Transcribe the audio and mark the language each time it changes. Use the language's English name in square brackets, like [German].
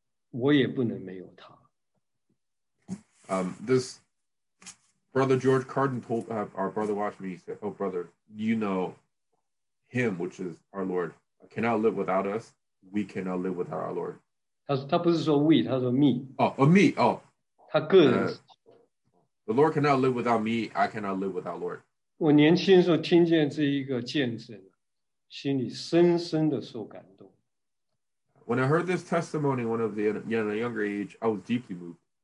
[Chinese] 他拉着这年轻弟兄手，他说：“弟兄，你知道吗？他不能没有我，我也不能没有他。” [English] This Brother George Cardin told our Brother Watchman, he said, "Oh, brother, you know him, which is our Lord, cannot live without us. We cannot live without our Lord." [Chinese] 他不是说 [English] we, [Chinese] 他说 [English] me. Oh, me. [Chinese] 他个人。 [English] The Lord cannot live without me. I cannot live without Lord. [Chinese] 我年轻时候听见这一个见证，心里深深的受感动。 [English] When I heard this testimony, one of the in a younger age, I was deeply moved.